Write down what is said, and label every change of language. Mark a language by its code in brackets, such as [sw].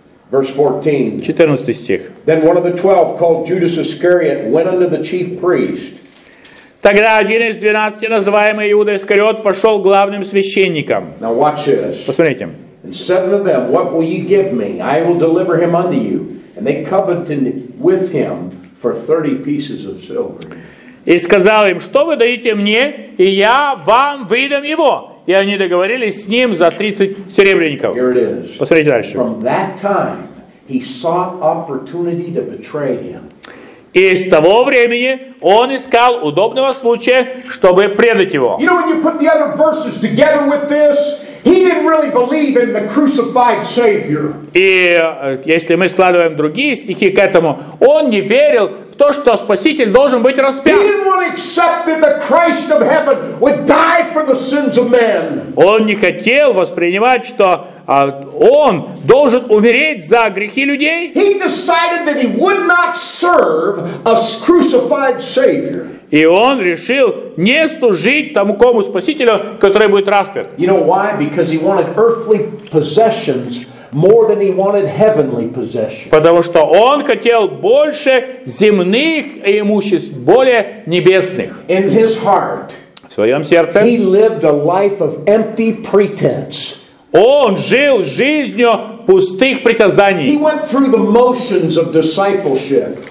[en] Verse [ru] 14. Стих. [en] Then one of the 12 called Judas Iscariot went unto the chief priest. [ru] Тогда один из 12, называемый Иуда Искариот, пошел к главным священникам. [en] Now watch this. [ru] Посмотрите. [en] And seven of them, what will ye give me? I will deliver him unto you. And they covenanted with him for 30 pieces of silver. [ru] И сказал им, что вы даете мне, и я вам выдам его. И они договорились с ним за 30 серебряников. Посмотрите дальше. [en] From that time, he sought opportunity to betray him. [ru] И с того времени он искал удобного случая, чтобы предать его. [en] You know, when you put the other verses together with this, he didn't really believe in the crucified Savior. [ru] И если мы складываем другие стихи к этому, он не верил в то, что Спаситель должен быть распят. [en] He didn't want to accept that the Christ of heaven would die for the sins of men. [ru] Он не хотел воспринимать, что он должен умереть за грехи людей. [en] He decided that he would not serve a crucified Savior. [ru] И он решил не служить тому кому Спасителю, который будет распят. [en] You know why? Because he wanted earthly possessions more than he wanted heavenly possessions. [ru] Потому что он хотел больше земных имуществ, более небесных. [en] In his heart, [ru] в своем сердце, [en] he lived a life of empty pretense. Он жил жизнью пустых притязаний. He went through the motions of discipleship.